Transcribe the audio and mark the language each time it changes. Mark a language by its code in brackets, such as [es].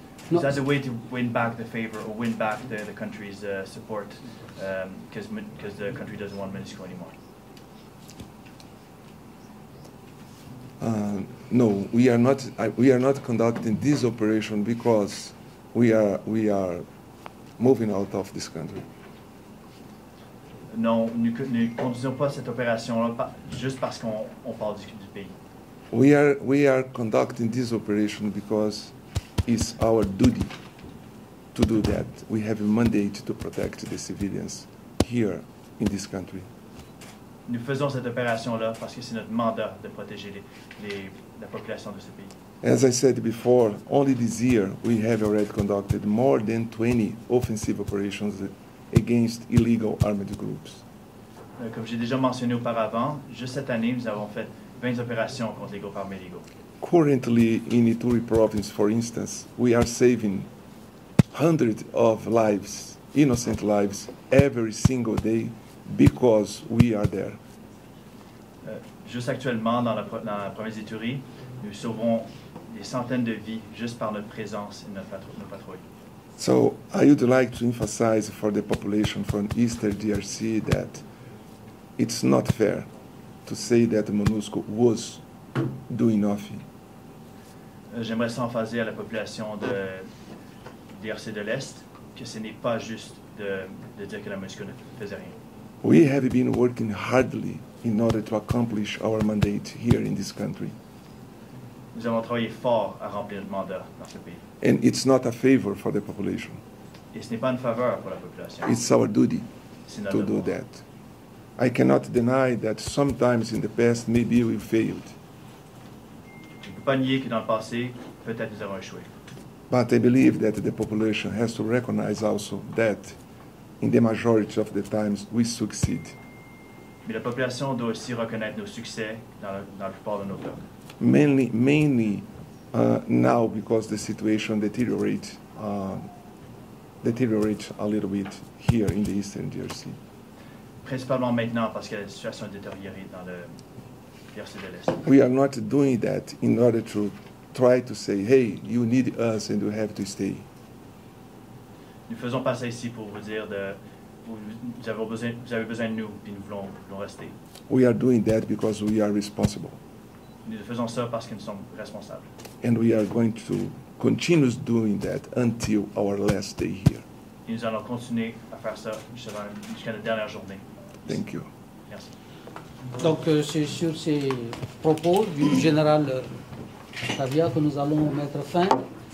[en] Is that a way to win back the favor or win back the country's support because the country doesn't want MONUSCO anymore? No, we are not conducting this operation because we are moving out of this country. [fr] non, nous ne conduisons pas cette opération-là juste parce qu'on parle du pays. [en] We are conducting this operation because it's our duty to do that. We have a mandate to protect the civilians here in this country. [fr] Nous faisons cette opération-là parce que c'est notre mandat de protéger la population de ce pays. [en] As I said before, only this year we have already conducted more than 20 offensive operations against illegal armed groups. [fr] Comme j'ai déjà mentionné auparavant, juste cette année, nous avons fait 20 opérations contre les groupes armés illégaux. [en] Currently, in Ituri province, for instance, we are saving hundreds of lives, innocent lives, every single day because we are there. [fr] Juste actuellement, dans la province d'Ituri, nous sauvons des centaines de vies juste par notre présence et notre patrouille. [en] So, I would like to emphasize for the population from Eastern DRC that it's not fair to say that MONUSCO was doing nothing. [fr] J'aimerais s'emphaser à la population de DRC de l'Est que ce n'est pas juste de dire que la MONUSCO ne faisait rien. [en] We have been working hardly in order to accomplish our mandate here in this country. [fr] Nous avons travaillé fort à remplir notre mandat dans ce pays. [en] And it's not a favor for the population. [fr] Et ce n'est pas une faveur pour la population. [en] It's our duty to do that. I cannot deny that sometimes in the past maybe we failed. [fr] Je ne peux pas nier que dans le passé, peut-être nous avons échoué. [en] But I believe that the population has to recognize also that in the majority of the times we succeed. [fr] Mais la population doit aussi reconnaître nos succès dans la plupart de nos cas. [en] Mainly now because the situation deteriorates a little bit here in the Eastern DRC. [fr] Principalement maintenant parce que la situation est détériorée dans le DRC de l'Est. [en] We are not doing that in order to try to say, hey, you need us and you have to stay. [fr] Nous faisons pas ça ici pour vous dire de vous avez besoin de nous et nous voulons rester. [en] We are doing that because we are responsible. [fr] Nous faisons ça parce que nous sommes responsables. [en] And we are going to continue doing that until our last day here. [fr] Et nous allons continuer à faire ça jusqu'à la dernière journée. [en] Thank you. [fr] Merci. Donc c'est sur ces propos du général Savia que nous allons mettre fin.